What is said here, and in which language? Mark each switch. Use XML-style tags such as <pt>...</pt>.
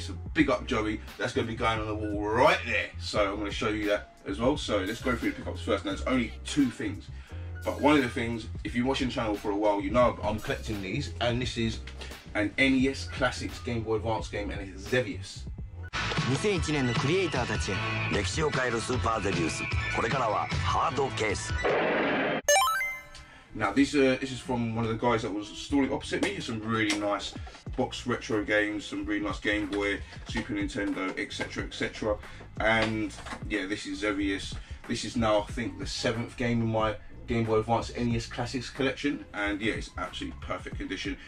<en>So big up Joey, that's going to be going on the wall right there. So I'm going to show you that as well. So let's go through the pickups first. Now, there's only two things. But one of the things, if you're watching the channel for a while, you know I'm collecting these, and this is an NES Classics Game Boy Advance game, and it's Zevius.</en> <ja>2001年のクリエイターたちへ歴史を変えるスーパーゼビウス。これからはハードケース。</ja> <en>Now this is from one of the guys that was storing opposite me. Some really nice box retro games, some really nice Game Boy, Super Nintendo, etc, etc. And yeah, this is Zevius. This is now, I think, the seventh game in my Game Boy Advance NES Classics collection, and yeah, it's absolutely perfect condition.</en>